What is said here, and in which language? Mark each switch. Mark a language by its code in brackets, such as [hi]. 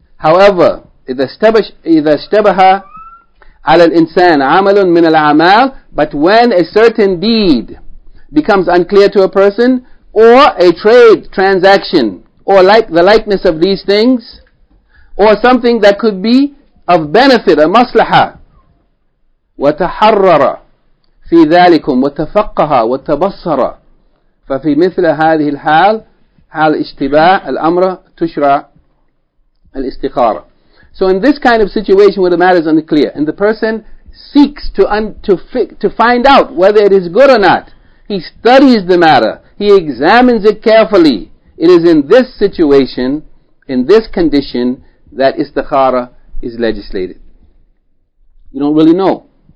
[en] However, [ar] إِذَا اشْتَبَهَ عَلَى الْإِنسَانِ عَمَلٌ مِنَ الْعَمَالِ, [en] but when a certain deed becomes unclear to a person, or a trade transaction, or like the likeness of these things, or something that could be of benefit, a maslaha, [ar] وتحرر في ذلكم وتفقها وتبصر ففي مثل هذه الحال حال اشتباع الأمر تشرع الاستخارة. [en] So in this kind of situation where the matter is unclear and the person seeks to find out whether it is good or not, he studies the matter, he examines it carefully, it is in this situation, in this condition, that istikhara is legislated. You don't really know.